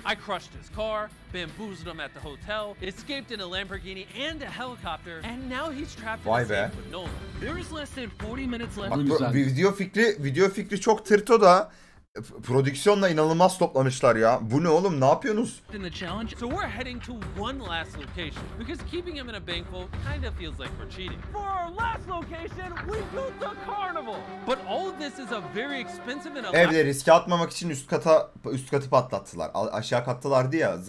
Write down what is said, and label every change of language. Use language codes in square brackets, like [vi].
[en] I crushed his car, bamboozled him at the hotel, escaped in a Lamborghini and a helicopter, and now he's trapped in the safe with Nolan. There is less than 40 minutes left. [tr] Bak, video fikri çok tırto da prodüksiyonla inanılmaz toplamışlar ya. Bu ne oğlum? Ne yapıyorsunuz? [en] In the challenge, so we're heading to one last location because keeping him in a bank vault kind of feels like we're cheating. For our last location, we built the carnival. But all of this is a very expensive and [tr] evde riske atmamak için üst katı patlattılar. Aşağı kattılardı ya.